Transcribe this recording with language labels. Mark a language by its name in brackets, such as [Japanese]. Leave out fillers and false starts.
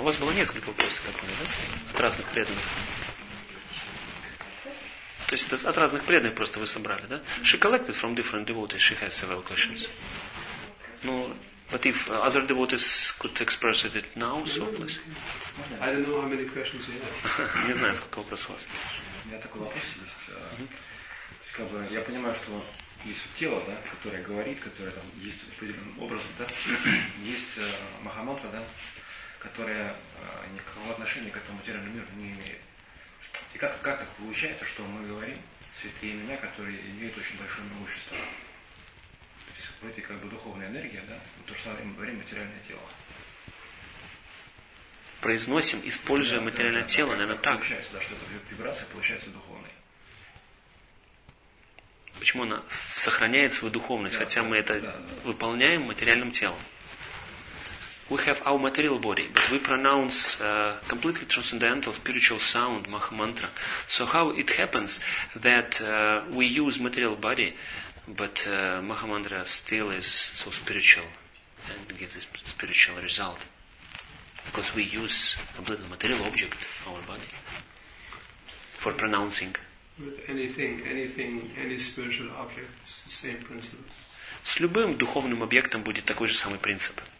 [Russian] У вас было несколько вопросов, как понял, да? От разных преданных. То есть это от разных преданных просто вы собрали, да? [English] Mm-hmm. She collected from different devotees. She has several questions. No. But if other devotees could express it now, so please. I don't know how many questions you have. [Russian] Не знаю, сколько вопросов у вас. У меня такой вопрос есть. То есть, как бы, я понимаю, что есть тело, да, которое говорит, которое там есть определенным образом, да, есть махамантра, да, которая никакого отношения к этому материальному миру не имеет. И как так получается, что мы говорим святые имена, которые имеют очень большое могущество? В этой как бы духовной энергии, да, в то же самое время материальное тело. Произносим, используя материальное тело, да, наверное, так. Получается, да, что эта вибрация получается духовной. Почему она сохраняет свою духовность, да, хотя да, мы это да, да, выполняем материальным телом? [English] We have our material body, but we pronounce completely transcendental spiritual sound, Maha Mantra. So how it happens that we use material body But Mahamantra still is so spiritual and gives this spiritual result. Because we use completely material object, our body, for pronouncing. With anything, any spiritual object, it's the same principle. [Russian] С любым духовным объектом будет такой же самый принцип.